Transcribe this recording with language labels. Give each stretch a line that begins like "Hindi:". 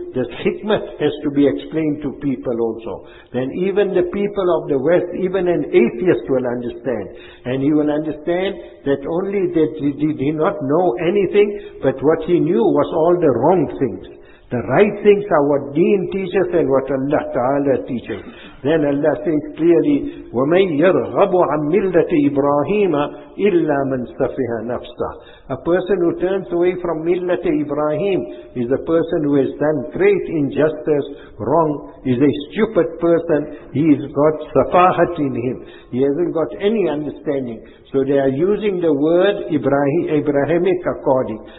English: The hikmat has to be explained to people also. Then even the people of the West, even an atheist will understand. And he will understand that only that he did not know anything, but what he knew was all the wrong things. The right things are what deen teaches and what Allah Ta'ala teaches. Then Allah says clearly,
Arabic: وَمَنْ يَرْغَبُ عَنْ مِلَّةِ إِبْرَاهِيمَ إِلَّا مَنْ سَفِهَ نَفْسَهُ.
English: A person who turns away from
Arabic: مِلَّةِ إِبْرَاهِيمَ
English: is a person who has done great injustice, wrong, is a stupid person, he has got safahat in him. He hasn't got any understanding. So they are using the word Abrahamic according.